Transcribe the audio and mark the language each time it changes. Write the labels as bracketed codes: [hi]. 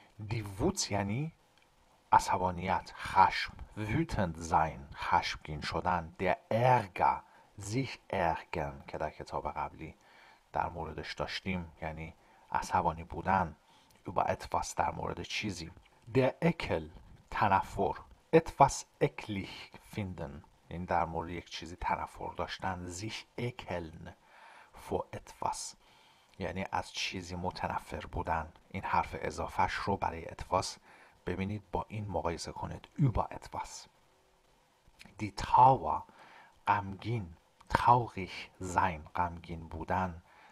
[de] die Wut [fa] یعنی عصبانیت، خشم. [de] wütend sein [fa] خشمگین شدن. [de] der Ärger sich ärgern [fa] که در کتاب قبلی در موردش داشتیم، یعنی عصبانی بودن [de] über etwas [fa] در مورد چیزی. [de] der Ekel [fa] تنفر. [de] etwas eklig finden [fa] این در مورد یک چیزی تنفر داشتن. [de] sich ekeln vor etwas [fa] یعنی از چیزی متنفر بودن. این حرف اضافهش رو برای etwas ببینید، با این مقایسه کنید. [de] über etwas. die Trauer [fa] غمگین. [de] traurig sein [fa] غمگین بودن.